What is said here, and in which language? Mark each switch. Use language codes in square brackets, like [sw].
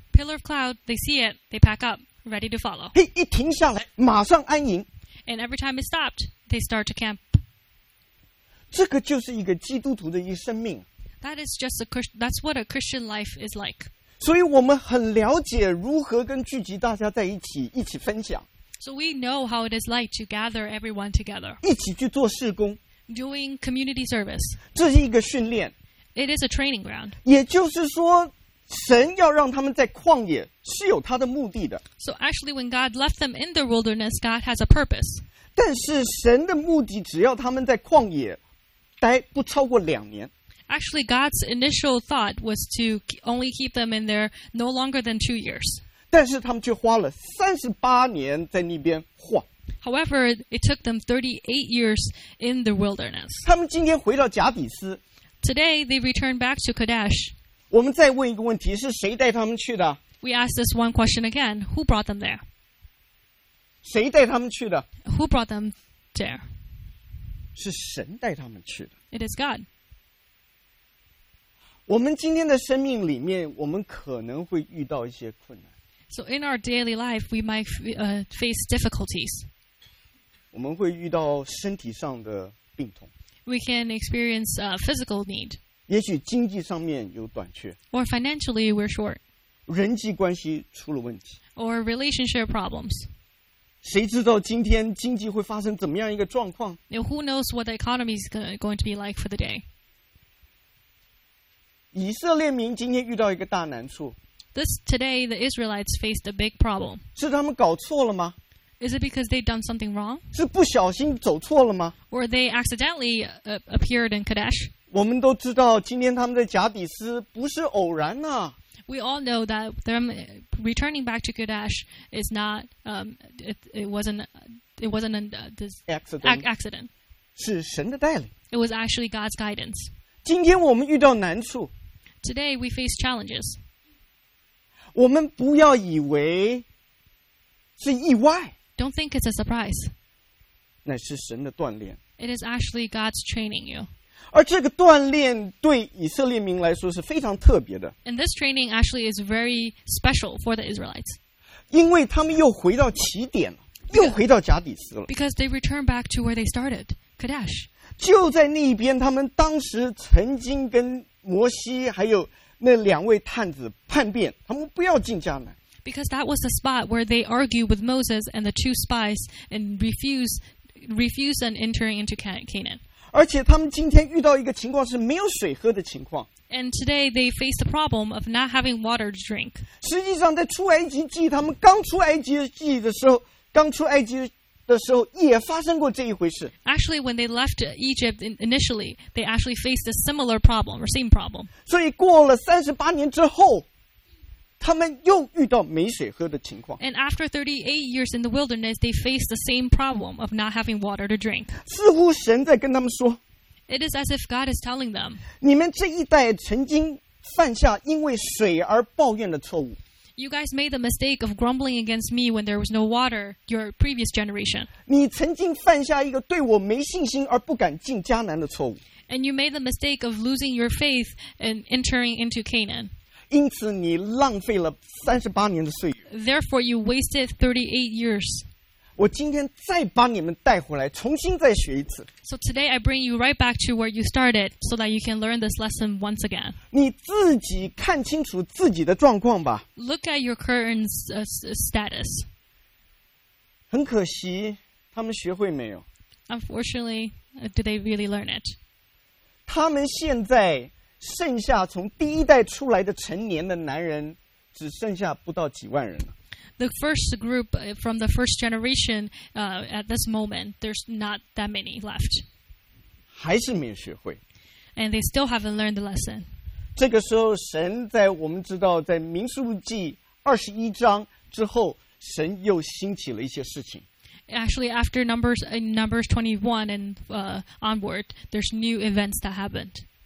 [en] Pillar of cloud, they see it, they pack up, ready to follow. [zh] 嘿，一停下来，马上安营。 [en] And every time it stopped, they start to camp. [zh] 这个就是一个基督徒的一个生命。 [en] That is just a Christian. That's what a Christian life is like. [zh] 所以我们很了解如何跟聚集大家在一起，一起分享。 [en] So we know how it is like to gather everyone together. [zh] 一起去做事工。 [en] Doing community service. [zh] 这是一个训练。 [en] It is a training ground. [zh] 也就是说，神要让他们在旷野是有他的目的的。 [en] So actually, when God left them in the wilderness, God has a purpose. [zh] 但是神的目的，只要他们在旷野。待不超过两年。 [en] Actually, God's initial thought was to only keep them in there no longer than 2 years. [zh] 但是他们却花了38年在那边晃。 [en] However, it took them 38 years in the wilderness. [zh] 他们今天回到贾底斯。 [en] Today, they returned back to Kadesh. [zh] 我们再问一个问题，是谁带他们去的？ [en] We ask this one question again. Who brought them there? [zh] 谁带他们去的？ [en] Who brought them there? [zh] 是神带他们去的。 [en] It is God. [zh] 我们今天的生命里面，我们可能会遇到一些困难。 [en] So in our daily life, we might face difficulties. [zh] 我们会遇到身体上的病痛。 [en] We can experience a physical need. [zh] 也许经济上面有短缺。 [en] Or financially, we're short. [zh] 人际关系出了问题。 [en] Or relationship problems. [zh] 谁知道今天经济会发生怎么样一个状况？ [en] Now, who knows what the economy is going to be like for the day? [zh] 以色列民今天遇到一个大难处。 [en] This today, the Israelites faced a big problem. [zh] 是他们搞错了吗？ [en] Is it because they've done something wrong? [zh] 是不小心走错了吗？ [en] Or they accidentally appeared in Kadesh? [zh] 我们都知道今天他们在贾底斯不是偶然呐。 [en] We all know that them returning back to Kadesh is not, it wasn't an accident. [zh] 是神的带领。 [en] It was actually God's guidance. [zh] 今天我们遇到难处。 [en] Today we face challenges. [zh] 我们不要以为是意外。 [en] Don't think it's a surprise. [zh] 那是神的锻炼。 [en] It is actually God's training you. [zh] 而这个锻炼对以色列民来说是非常特别的。 [en] And this training actually is very special for the Israelites. [zh] 因为他们又回到起点了。又回到贾底斯了。 [en] Because they return back to where they started, Kadesh. [zh] 就在那边，他们当时曾经跟摩西还有那两位探子叛变，他们不要进迦南。 [en] Because that was the spot where they argued with Moses and the two spies and refused on entering into Canaan. [zh] 而且他们今天遇到一个情况是没有水喝的情况。 [en] And today they face the problem of not having water to drink. [zh] 实际上，在出埃及记，他们刚出埃及记的时候。刚出埃及的时候也发生过这一回事。 [en] Actually, when they left Egypt initially, they actually faced a similar problem or same problem. [zh] 所以过了38年之后，他们又遇到没水喝的情况。 [en] And after 38 years in the wilderness, they faced the same problem of not having water to drink. [zh] 似乎神在跟他们说。 [en] It is as if God is telling them. [zh] 你们这一代曾经犯下因为水而抱怨的错误。 [en] You guys made the mistake of grumbling against me when there was no water, your previous generation. [zh] 你曾经犯下一个对我没信心而不敢进迦南的错误。 [en] And you made the mistake of losing your faith and entering into Canaan. [zh] 因此你浪费了38年的岁月。 [en] Therefore, you wasted 38 years. [zh] 我今天再把你们带回来，重新再学一次。 [en] So today, I bring you right back to where you started so that you can learn this lesson once again. [zh] 你自己看清楚自己的状况吧。 [en] Look at your current status. [zh] 很可惜，他们学会没有。 [en] Unfortunately, did they really learn it? [zh] 他们现在剩下从第一代出来的成年的男人，只剩下不到几万人了。 [en] The first group from the first generation at this moment, there's not that many left. [zh] 还是没学会。 [en] And they still haven't learned the lesson. [zh] 这个时候神在我们知道在民数记21章之后神又兴起了一些事情。 [en] Actually, after Numbers 21 and onward, there's new events that happened.